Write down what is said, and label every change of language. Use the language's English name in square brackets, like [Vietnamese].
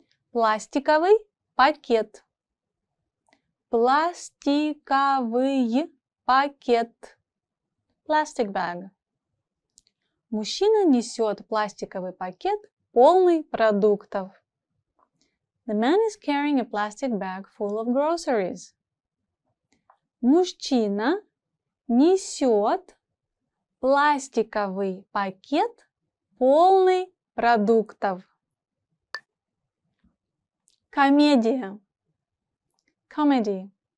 [Russian] Пластиковый пакет. Пластиковый пакет. [English] Plastic bag. [Russian] Мужчина несет пластиковый пакет, полный продуктов. [English] The man is carrying a plastic bag full of groceries. [Russian] Мужчина несет пластиковый пакет, полный продуктов. Комедия. [English] Comedy.